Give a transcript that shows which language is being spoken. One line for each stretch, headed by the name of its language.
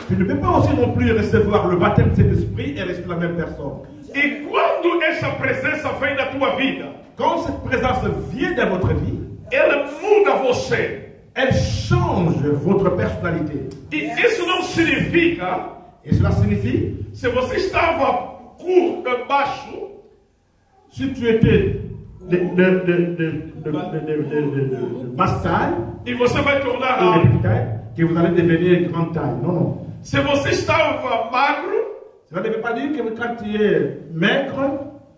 French: Tu ne peux pas aussi non plus recevoir le baptême de cet esprit et rester la même personne.
Portuguese: E quando essa presença vem na tua vida?
French: Quand cette présence vient dans votre vie, elle
Portuguese: muda você.
French: Elle change votre personnalité.
Portuguese: Et isso não significa,
French: et cela signifie,
Portuguese: se você estava curto, baixo,
French: si tu étais de basse taille,
Portuguese: et você vai tornar alto,
French: que vous allez devenir grande taille. Non, non.
Portuguese: Se você estava magro,
French: cela ne veut pas dire que quand tu es maigre,